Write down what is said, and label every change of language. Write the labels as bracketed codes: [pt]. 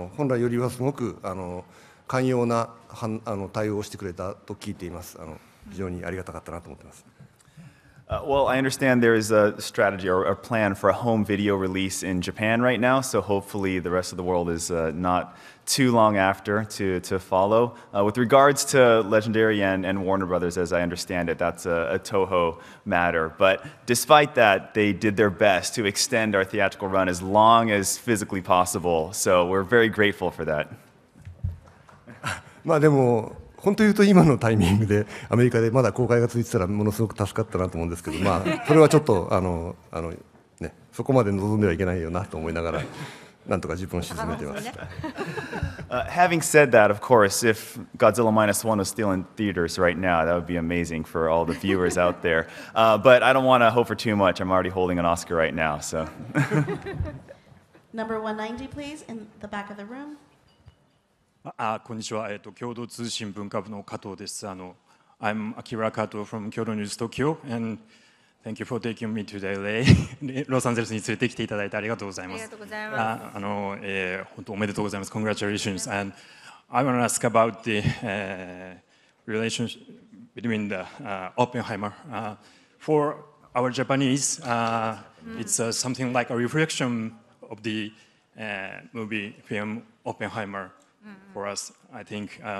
[ja] 本来よりはすごく寛容な対応をしてくれたと聞いています。非常にありがたかったなと思っています。 [en] Well, I understand there is a strategy or a plan for a home video release in Japan right now, so hopefully the rest of the world is not too long after to follow. With regards to Legendary and Warner Brothers, as I understand it, that's a Toho matter. But despite that, they did their best to extend our theatrical run as long as physically possible, so we're very grateful for that. [ja] 本当言うと今のタイミングでアメリカでまだ公開が続いてたらものすごく助かったなと思うんですけど、まあそれはちょっとね、そこまで望んではいけないよなと思いながらなんとか自分を沈めてます。 [en] Having said that, of course, if Godzilla Minus One was still in theaters right now, that would be amazing for all the viewers out there. But I don't want to hope for too much. I'm already holding an Oscar right now, so. Number 190, please, in the back of the room. [ja] こんにちは、共同通信文化部の加藤です。 [en] I'm Akira Kato from Kyoto News Tokyo, and thank you for taking me to LA. [ja] ロサンゼルスに連れてきていただいてありがとうございます。ありがとうございます。本当おめでとうございます。 [en] Congratulations. And I want to ask about the relationship between the Oppenheimer. For our Japanese, it's something like a reflection of the movie film Oppenheimer for us, I think.